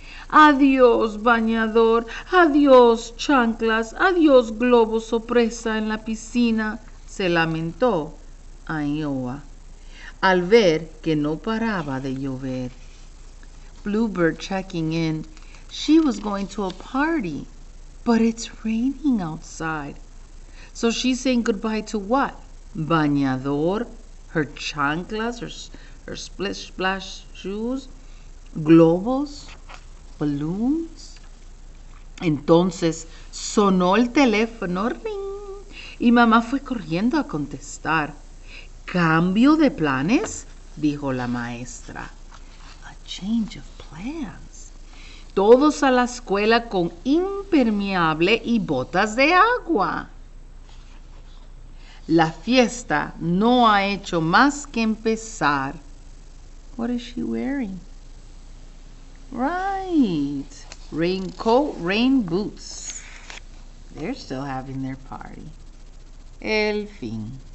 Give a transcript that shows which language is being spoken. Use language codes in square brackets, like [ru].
[es] Adiós, bañador, adiós, chanclas, adiós, globo sorpresa en la piscina, se lamentó Aniaoa al ver que no paraba de llover. [en] Bluebird checking in. She was going to a party, but it's raining outside. So she's saying goodbye to what? Bañador, her chanclas, her splish splash shoes, globos, balloons. [es] Entonces sonó el teléfono, ring, y mamá fue corriendo a contestar. ¿Cambio de planes?, dijo la maestra. [en] A change of plans. [es] Todos a la escuela con impermeable y botas de agua. La fiesta no ha hecho más que empezar. [en] What is she wearing? Right. Raincoat, rain boots. They're still having their party. [es] El fin.